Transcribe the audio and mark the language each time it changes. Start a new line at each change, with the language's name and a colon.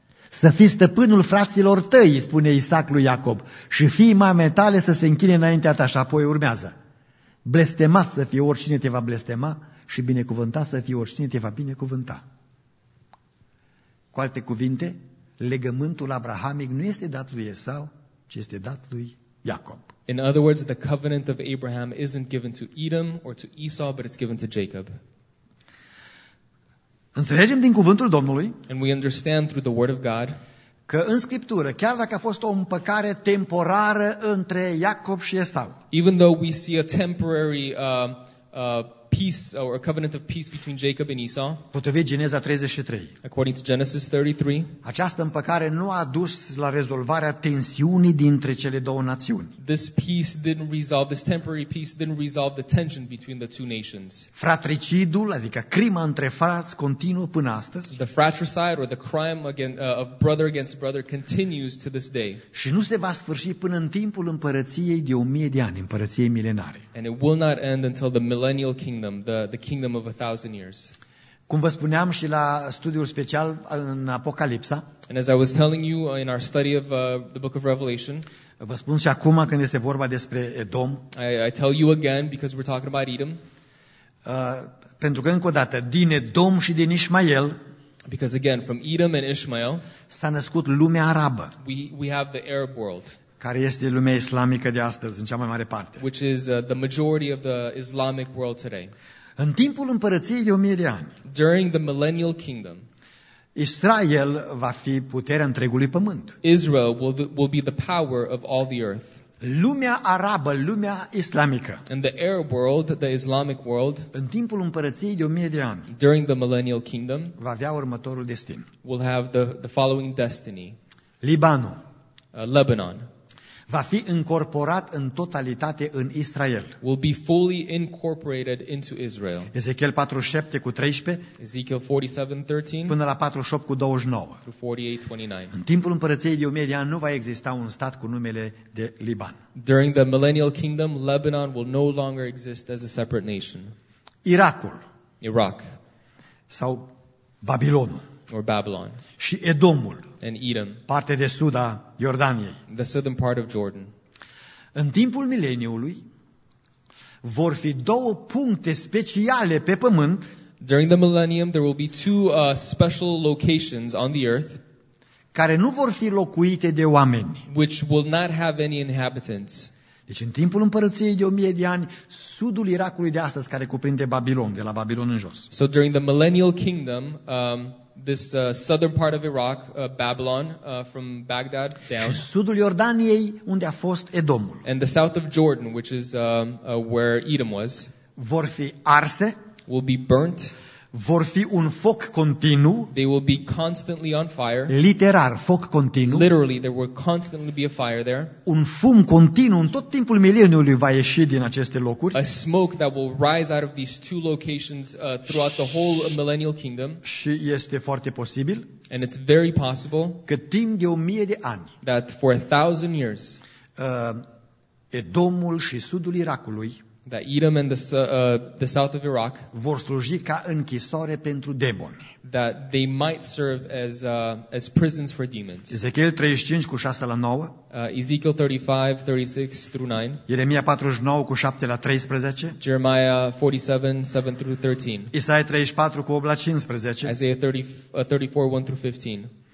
Romanian: Să fii stăpânul fraților tăi, spune Isaac lui Iacob, și fii mame tale să se închine înaintea ta. Și apoi urmează. Blestemat să fie oricine te va blestema și binecuvântat să fie oricine te va binecuvânta. Cu alte cuvinte, legământul abrahamic nu este dat lui Esau, ci este dat lui Iacob.
English: In other words, the covenant of Abraham isn't given to Edom or to Esau, but it's given to Jacob.
Romanian: Înțelegem din cuvântul Domnului.
English: And we understand through the word of God.
Romanian: Că în Scriptură, chiar dacă a fost o împăcare temporară între Iacob și Esau.
English: Even though we see a temporary peace or a covenant of peace between Jacob and Esau.
Romanian: Potrivit Geneza 33.
English: According to Genesis 33.
Romanian: Această împăcare nu a dus la rezolvarea tensiunii dintre cele două națiuni.
English: This temporary peace didn't resolve the tension between the two nations.
Romanian: Fratricidul, adică crima între frați, continuă până astăzi.
English: The fratricide or the crime of brother against brother continues to this day.
Romanian: Și nu se va sfârși până în timpul împărăției de 1000 de ani, împărăției milenare.
English: And it will not end until the millennial kingdom, the kingdom of 1000 years.
Romanian: Cum vă spuneam și la studiul special în Apocalipsa.
English: And as I was telling you in our study of the book of Revelation.
Romanian: Vă spun și acum când este vorba despre Edom.
English: I tell you again because we're talking about Edom.
Romanian: Pentru că încă o dată din Edom și din Ishmael.
English: Because again from Edom and Ishmael.
Romanian: S-a născut lumea arabă.
English: We have the Arab world.
Romanian: Care este lumea islamică de astăzi, în cea mai mare parte.
English: Which is the majority of the Islamic world today.
Romanian: În timpul împărăției de 1000 de ani.
English: During the millennial kingdom.
Romanian: Israel va fi puterea întregului pământ.
English: Israel will be the power of all the earth.
Romanian: Lumea arabă, lumea islamică.
English: And the Arab world, the Islamic world.
Romanian: În timpul împărăției de 1000 de ani.
English: During the millennial kingdom.
Romanian: Va avea următorul destin.
English: Will have the following destiny.
Romanian: Libanul.
English: Lebanon.
Romanian: Va fi incorporat în totalitate în Israel.
English: Will be fully incorporated into Israel.
Romanian: Ezechiel 47 cu 13.
English: Ezekiel 47:13.
Romanian: Până la 48 cu 29.
English: Through 48:29.
Romanian: În timpul împărăției de 1000 de ani nu va exista un stat cu numele de Liban.
English: During the millennial kingdom, Lebanon will no longer exist as a separate nation.
Romanian: Irakul.
English: Iraq.
Romanian: Sau Babilonul.
English: Or Babylon.
Romanian: Și Edomul.
English: And Edom.
Romanian: Parte de sud a Iordaniei.
English: The southern part of Jordan.
Romanian: În timpul mileniului vor fi două puncte speciale pe pământ.
English: During the millennium there will be two special locations on the earth
Romanian: care nu vor fi locuite de oameni.
English: Which will not have any inhabitants.
Romanian: Deci în timpul împărăției de 1000 de ani, sudul Irakului de astăzi care cuprinde Babilon, de la Babilon în jos.
English: So during the millennial kingdom, this southern part of Iraq, Babylon, from Baghdad down.
Romanian: Și sudul Iordaniei, unde a fost Edomul.
English: And the south of Jordan, which is where Edom was.
Romanian: Vor fi arse.
English: Will be burnt.
Romanian: Vor fi un foc continuu.
English: They will be constantly on fire.
Romanian: Literar, foc continuu.
English: Literally, there will constantly be a fire there.
Romanian: Un fum continuu în tot timpul mileniului va ieși din aceste locuri.
English: A smoke that will rise out of these two locations throughout the whole millennial kingdom.
Romanian: Și este foarte posibil.
English: And it's very possible.
Romanian: Că timp de 1000 de ani.
English: That for a thousand years.
Romanian: Edomul și sudul Irakului.
English: That Edom and the south of Iraq
Romanian: vor sluji ca închisoare pentru demoni.
English: That they might serve as prisons for demons.
Romanian: Ezechiel 35 cu 6 la 9.
English: Ezekiel 35, 36 through 9.
Romanian: Ieremia 49 cu 7 la 13.
English: Jeremiah 47, 7 through 13.
Romanian: Isaia 34 cu 8 la 15.
English: Isaiah 34, 1 through 15.